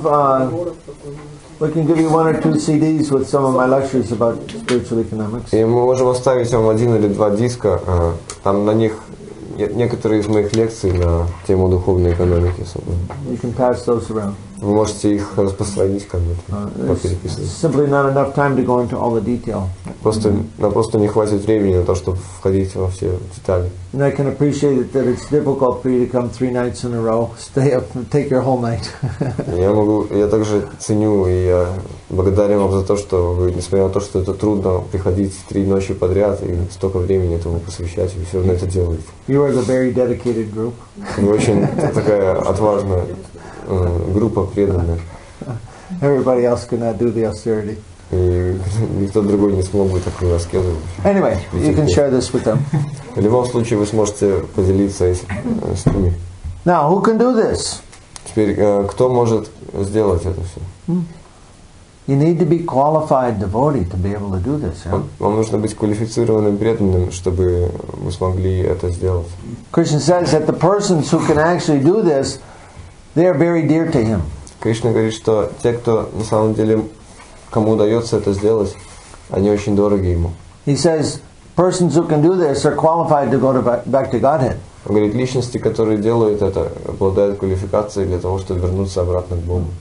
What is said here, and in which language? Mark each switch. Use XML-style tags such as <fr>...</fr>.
<en>We can give you one or two CDs with some of my lectures about spiritual economics.</en> <ru>И мы можем оставить вам один или два диска, там на них некоторые из моих лекций на тему духовной экономики.</ru> <en>You can pass those around.</en> <ru>Вы можете их распространить кому-то, попереписывать.</ru> <en>Simply not enough time to go into all the detail.</en> <ru>Просто, mm-hmm. нам просто не хватит времени на то, чтобы входить во все детали.</ru> <en>And I can appreciate that it's difficult for you to come three nights in a row, stay up, take your whole night.</en> <ru>Я также ценю и я благодарен вам за то, что вы, несмотря на то, что это трудно, приходить три ночи подряд и столько времени этому посвящать, вы все равно это делаете.</ru> <en>You are the very dedicated group.</en> <ru>Вы очень такая отважная. Группа преданных.</ru> <en>Everybody else cannot do the austerity.</en> <ru>И никто другой не смог бы такую аскезу.</ru> <en>Anyway, you can share this with them.</en> <ru>В любом случае, вы сможете поделиться с ними.</ru> <en>Now, who can do this?</en> <ru>Теперь, кто может сделать это все?</ru> <en>You need to be qualified devotee to be able to do this.</en> <ru>Вам нужно быть квалифицированным преданным, чтобы вы смогли это сделать.</ru> <en>Krishna says that the persons who can actually do this, they are very dear to him.</en> <ru>Кришна говорит, что те, кто на самом деле кому удается это сделать, они очень дороги ему.</ru> <en>He says, persons who can do this are qualified to go to back to Godhead.</en> <ru>Он говорит, личности, которые делают это, обладают квалификацией для того, чтобы вернуться обратно к Богу.</ru>